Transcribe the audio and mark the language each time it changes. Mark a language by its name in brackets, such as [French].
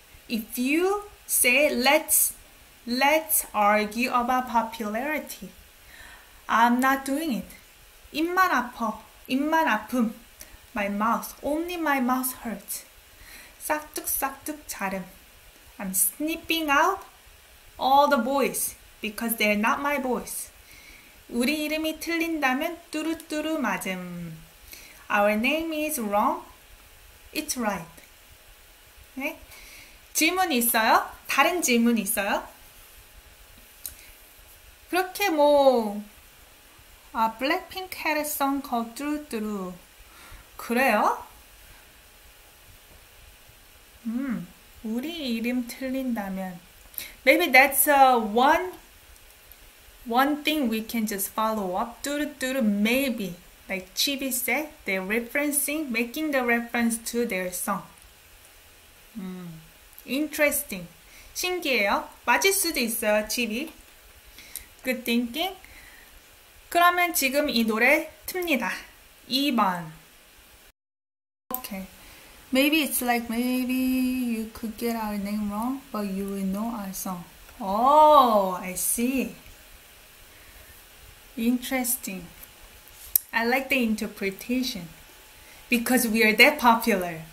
[English] If you say let's argue about popularity, I'm not doing it. [Korean] 입만 아파. 입만 아픔. [English] My mouth. Only my mouth hurts. [Korean] 싹둑싹둑 자름. [English] I'm snipping out all the boys because they're not my boys. [Korean] 우리 이름이 틀린다면 뚜루뚜루 맞음. [English] Our name is wrong. It's right. Okay? [Korean] 질문 있어요? 다른 질문 있어요? 그렇게 뭐 아, 블랙핑크 [English] had a song called [Korean] 뚜루뚜루. 그래요? 우리 이름 틀린다면 [English] Maybe that's one thing we can just follow up. 뚜루뚜루, maybe. Like Chibi said, they're referencing, making the reference to their song. Interesting. [Korean] 신기해요. 맞을 수도 있어요, Chibi. [English] Good thinking. [Korean] 그러면 지금 이 노래 틉니다. [English] 2번. Okay. Maybe it's like, maybe you could get our name wrong, but you will know our song. Oh, I see. Interesting. I like the interpretation. Because we are that popular.